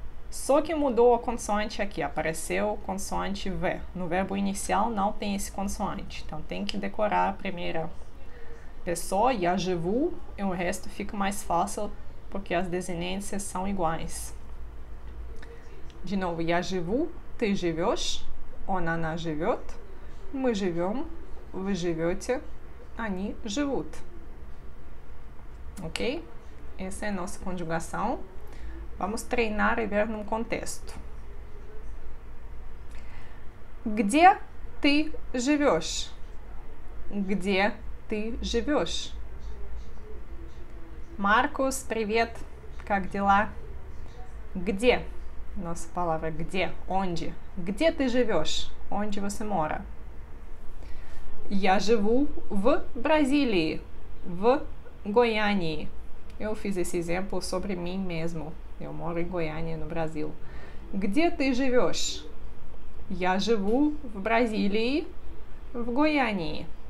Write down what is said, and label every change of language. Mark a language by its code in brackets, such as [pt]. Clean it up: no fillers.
[pt] Só que mudou a consoante aqui. Apareceu consoante V. No verbo inicial não tem esse consoante. Então, tem que decorar a primeira pessoa, [ru] я живу, [pt] e o resto fica mais fácil porque as desinências são iguais. De novo, [ru] я живу, ты живешь, он, она живет, мы живем. Вы живете, они живут. Ok? [pt] Essa é a nossa conjugação. Vamos treinar e ver num contexto. [ru] Где ты живешь? Где ты живешь? Marcos, привет! Как дела? Где? [pt] Nossa palavra где? Onde? [ru] Где ты живешь? [pt] Onde você mora? [ru] Я живу в Бразилии, в Гояне. [pt] Eu fiz esse exemplo sobre mim mesmo. Eu moro em Goiânia, no Brasil. [ru] Где ты живешь? Я живу в Бразилии, в Гояне.